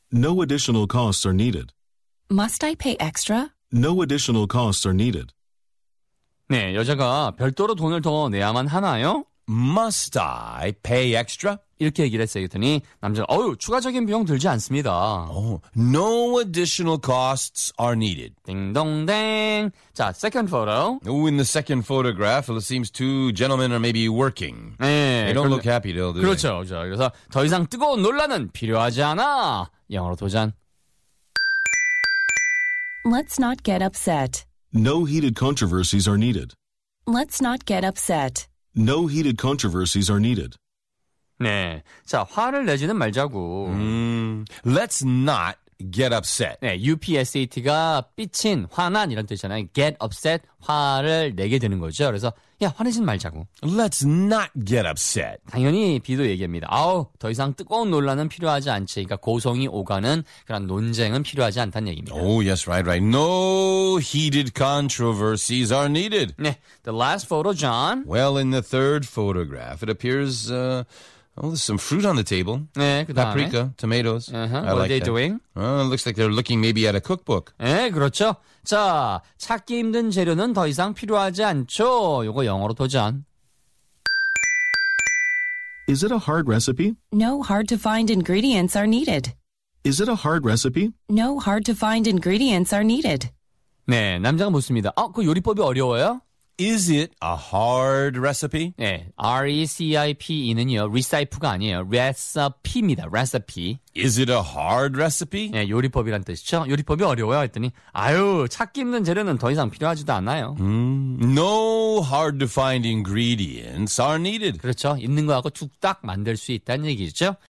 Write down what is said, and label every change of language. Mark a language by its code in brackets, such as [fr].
[en] No additional costs are needed. Must I pay extra? No additional costs are needed. [ko] 네, 여자가 별도로 돈을 더 내야만 하나요? [en] Must I pay extra? [ko] 이렇게 얘기를 했어요. 그랬더니 남자는 어우 추가적인 비용 들지 않습니다. [en] Oh, no additional costs are needed. [ko] 딩동댕. 자, [en] second photo. Oh, in the second photograph, it seems two gentlemen are maybe working. [ko] 네, [en] they don't [ko] 그런데, [en] look happy, though, do they? [ko] 그렇죠, 그렇죠. 그래서 더 이상 뜨거운 논란은 필요하지 않아. 영어로 도전. [en] Let's not get upset. No heated controversies are needed. Let's not get upset. No heated controversies are needed. [ko] 네, 자 화를 내지는 말자고. [en] Let's not get upset. [ko] 네, upset가 삐친, 화난 이런 뜻이잖아요. [en] Get upset, [ko] 화를 내게 되는 거죠. 그래서 야 화내지는 말자고. [en] Let's not get upset. [ko] 당연히 B도 얘기합니다. 아우 더 이상 뜨거운 논란은 필요하지 않지. 그러니까 고성이 오가는 그런 논쟁은 필요하지 않다는 얘기입니다. [en] Oh yes, right, right. No heated controversies are needed. 네, the last photo, John. Well, in the third photograph, it appears. Oh, there's some fruit on the table. [ko] 네, 그다음에. [en] Paprika, tomatoes. Uh-huh. What are they doing? It looks like they're looking maybe at a cookbook. [ko] 네, 그렇죠. 자, 찾기 힘든 재료는 더 이상 필요하지 않죠. 요거 영어로 도전. [en] Is it a hard recipe? No hard-to-find ingredients are needed. Is it a hard recipe? No hard-to-find ingredients are needed. [ko] 네, 남자가 묻습니다. 어, 그 요리법이 어려워요? [en] Is it a hard recipe? [ko] 네, R-E-C-I-P-E는요, recipe가 아니에요. Recipe입니다, recipe. [en] Is it a hard recipe? [ko] 네, 요리법이란 뜻이죠. 요리법이 어려워요 했더니, 아유, 찾기 힘든 재료는 더 이상 필요하지도 않아요. [en] No hard to find ingredients are needed. [ko] 그렇죠, 있는 거하고 툭딱 만들 수 있다는 얘기죠.